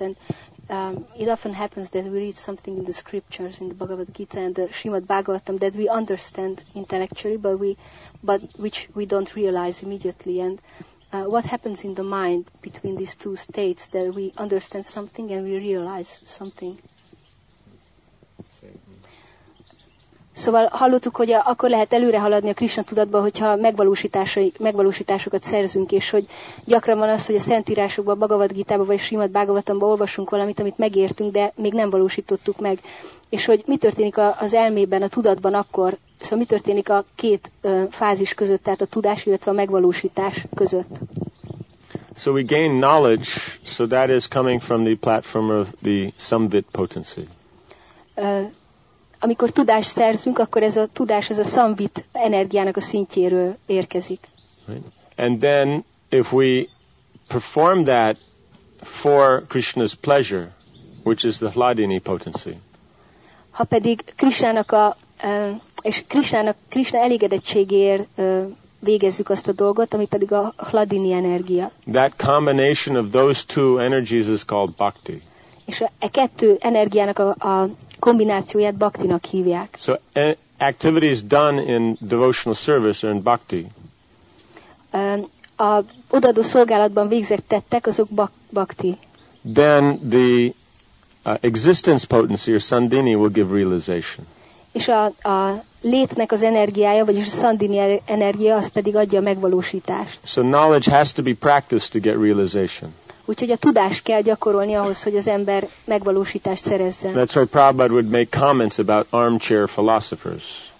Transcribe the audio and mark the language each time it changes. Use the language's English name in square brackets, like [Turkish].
[English] And it often happens that we read something in the scriptures, in the Bhagavad Gita and the Srimad Bhagavatam, that we understand intellectually, but which we don't realize immediately. And what happens in the mind between these two states, that we understand something and we realize something? [Hungarian] Szóval hallottuk, hogy akkor lehet előre haladni a Krishna tudatba, hogyha megvalósításokat szerzünk, és hogy gyakran van az, hogy a szentírásokban, a Bhagavad Gita-ban vagy Srimad Bhagavatamban olvasunk valamit, amit megértünk, de még nem valósítottuk meg. És hogy mi történik az elmében, a tudatban akkor, szóval mi történik a két fázis között, tehát a tudás, illetve a megvalósítás között. [English] So we gain knowledge, so that is coming from the platform of the Samvit potency. [Hungarian] Amikor tudást szerzünk, akkor ez a tudás, ez a szambit energiának a szintjéről érkezik. [English] Right. And then, if we perform that for Krishna's pleasure, which is the hladini potency. [Hungarian] Ha pedig Krishnának a és Krishnának Krishna elégedettségéért végezzük azt a dolgot, ami pedig a hladini energia. [English] That combination of those two energies is called bhakti. [Hungarian] És a kettő energiának a kombinációját bhaktinak hívják. [English] So activities done in devotional service are in bhakti. [Hungarian] A odaadó szolgálatban végzett tettek, azok bhakti. [English] Then the existence potency or sandini will give realization. [Hungarian] És a létnek az energiája, vagyis a szandini energia, az pedig adja a megvalósítást. [English] So knowledge has to be practiced to get realization. [Hungarian] Úgyhogy a tudás kell gyakorolni ahhoz, hogy az ember megvalósítást szerezzen. [English] That's why Prabhupada would make comments about armchair philosophers.